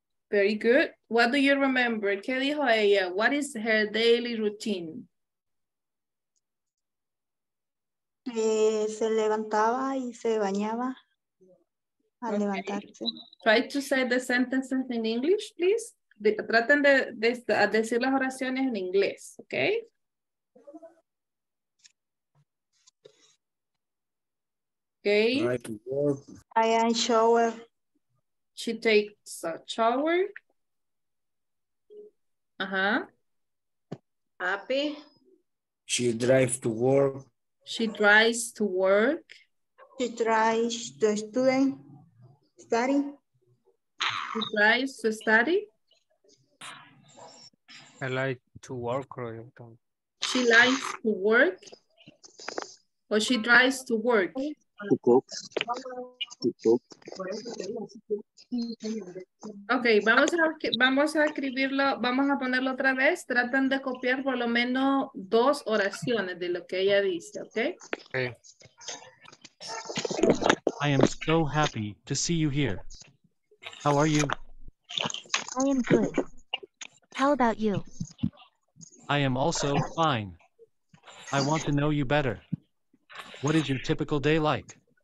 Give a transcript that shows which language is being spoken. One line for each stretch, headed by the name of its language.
English: Very good. What do you remember?
Spanish: ¿Qué dijo ella?
English: What is her daily routine?
Spanish: Se levantaba y se bañaba al levantarse.
English: Try to say the sentences in English, please.
Spanish: Traten de decir las oraciones en inglés, ¿ok?
English: Okay. I am shower. She takes a shower. Uh-huh. Happy. She drives to work. She drives to work. She drives to study. She drives to study. I like to work, right? She likes to work. Or she drives to work. To cook. To cook.
Spanish: Ok, vamos a escribirlo, vamos a ponerlo otra vez. Tratan de copiar por lo menos dos oraciones de lo que ella dice, ¿ok?
English: I am so happy to see you here. How are you? I am good. How about you? I am also fine. I want to know you better. What is your typical day like?